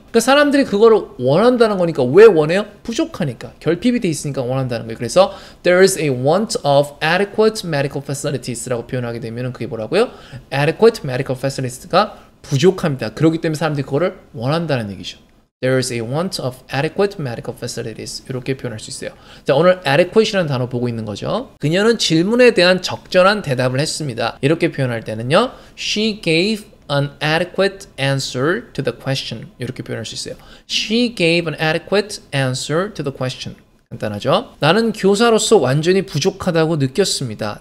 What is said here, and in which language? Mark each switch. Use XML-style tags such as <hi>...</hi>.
<ko>그러니까 사람들이 그걸 원한다는 거니까 왜 원해요? 부족하니까. 결핍이 돼 있으니까 원한다는 거예요. 그래서</ko> <en>there is a want of adequate medical facilities</en> <ko>라고 표현하게 되면 그게 뭐라고요?</ko> <en>adequate medical facilities가</en> <ko>부족합니다. 그렇기 때문에 사람들이 그거를 원한다는 얘기죠.</ko> <en>There is a want of adequate medical facilities.</en> <ko>이렇게 표현할 수 있어요. 자, 오늘 adequate이라는 단어 보고 있는 거죠. 그녀는 질문에 대한 적절한 대답을 했습니다. 이렇게 표현할 때는요.</ko> <en>She gave an adequate answer to the question.</en> <ko>이렇게 표현할 수 있어요.</ko> <en>She gave an adequate answer to the question.</en> <ko>간단하죠? 나는 교사로서 완전히 부족하다고 느꼈습니다.</ko>